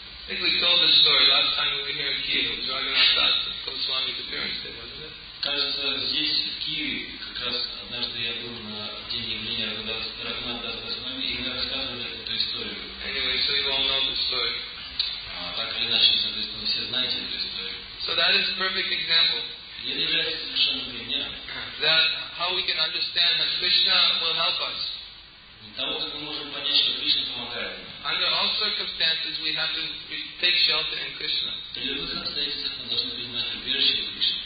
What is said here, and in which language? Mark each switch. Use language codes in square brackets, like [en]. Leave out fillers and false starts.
[en] I think we told this story last time we were here in Kiev. It was Raghunath Das, Goswami's appearance day, wasn't it? [ru] Кажется, здесь, в Киеве, как раз однажды я был на день явления Раганатха Даса, и мы рассказывали эту историю. [en] Anyway, so you all know the story. [ru] Так или иначе, соответственно, все знаете эту историю. [en] So that is a perfect example. [ru] И это является совершенным примером. [en] That how we can understand that Krishna will help us. [ru] Того, как мы можем понять, что Кришна помогает нам. [en] Under all circumstances, we have to take shelter in Krishna. [ru] При любых обстоятельствах мы должны принимать убежище в Кришне.